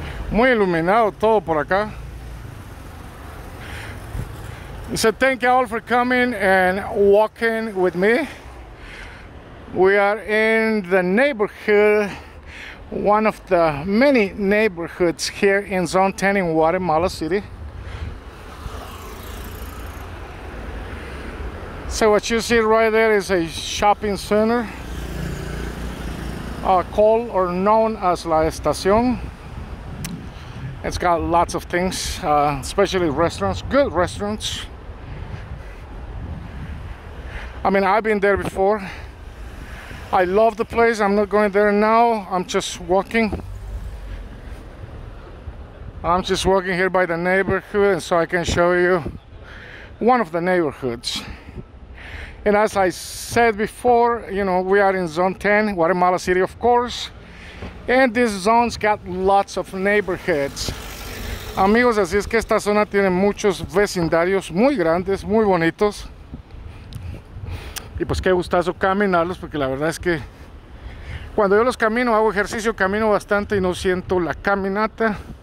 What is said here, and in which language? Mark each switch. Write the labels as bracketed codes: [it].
[es] Muy iluminado todo por acá. [en] So thank you all for coming and walking with me. We are in the neighborhood, one of the many neighborhoods here in Zone 10 in Guatemala City. So what you see right there is a shopping center, called or known as La Estación. It's got lots of things, especially restaurants, good restaurants. I mean, I've been there before. I love the place. I'm not going there now. I'm just walking here by the neighborhood, and so I can show you one of the neighborhoods. And as I said before, you know, we are in Zone 10, Guatemala City, of course. And this zone's got lots of neighborhoods. [es] Amigos, así es que esta zona tiene muchos vecindarios muy grandes, muy bonitos. Y pues qué gustazo caminarlos, porque la verdad es que cuando yo los camino, hago ejercicio, camino bastante y no siento la caminata.